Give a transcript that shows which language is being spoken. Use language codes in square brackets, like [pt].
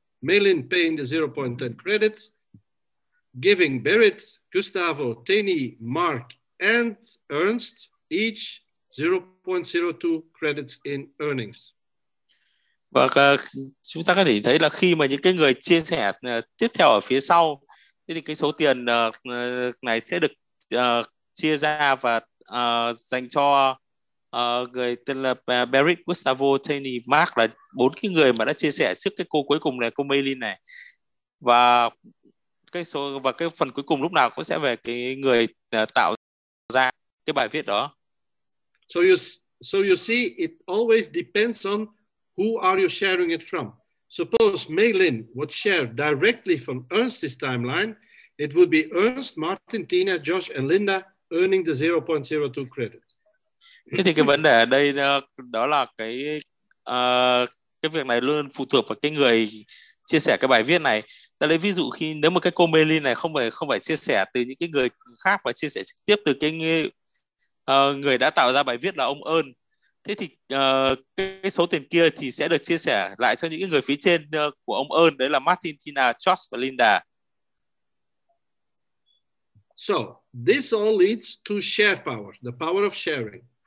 [en] Maylin paying the 0.10 credits, giving Berit, Gustavo, Tani, Mark and Ernst each 0.02 credits in earnings. [vi] Và chúng ta có thể thấy là khi mà những cái người chia sẻ tiếp theo ở phía sau thì cái số tiền này sẽ được chia ra và dành cho người tên là Barry, Gustavo, Tony, Mark là bốn cái người mà đã chia sẻ trước cái cô cuối cùng này, cô Maylin này. Và cái phần cuối cùng lúc nào cũng sẽ về cái người tạo ra cái bài viết đó. [en] So you see it always depends on who are you sharing it from. Suppose Maylin would share directly from Ernst's timeline, it would be Ernst, Martin, Tina, Josh and Linda earning the 0.02 credit. [vi] Thế thì cái vấn đề ở đây đó là cái việc này luôn phụ thuộc vào cái người chia sẻ cái bài viết này. Ta lấy ví dụ khi nếu mà cái cô Maylin này không phải chia sẻ từ những cái người khác mà chia sẻ trực tiếp từ cái người đã tạo ra bài viết là ông Ơn, thế thì cái số tiền kia thì sẽ được chia sẻ lại cho những người phía trên của ông Ơn, đấy là Martin, Tina, Josh và Linda. [en] So this all leads to share power, the power of sharing.